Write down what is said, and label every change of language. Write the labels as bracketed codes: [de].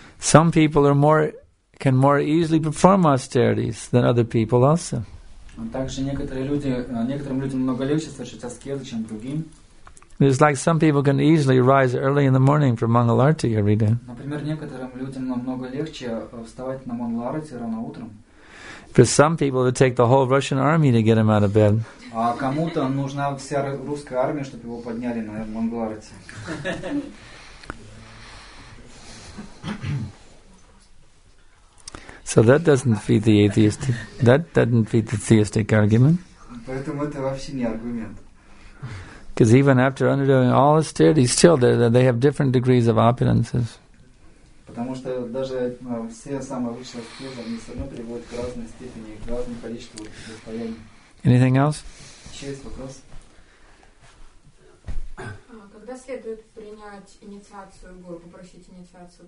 [en] Some people are can more easily perform austerities than other people also. [ru] Также некоторым людям намного легче совершить аскезы, чем другим. [en] It's like some people can easily rise early in the morning for Mangalarti every day. [ru] Например, некоторым людям намного легче вставать на Мангаларти рано утром. [en] For some people, it would take the whole Russian army to get him out of bed. [ru] А кому-то нужна вся русская армия, чтобы его подняли на Мангаларти. [en] So that doesn't feed the atheist. That doesn't feed the theistic argument. [ru] Поэтому это вообще не аргумент. [en] Because even after undergoing all austerity, still they have different degrees of opulences. [ru] Потому что даже все самые высшие аскезы, они все равно приводят к разной степени, к разному количеству достояний. [en] Anything else? [ru] Еще есть вопрос. Когда когда следует принять инициацию гуру, попросить инициацию?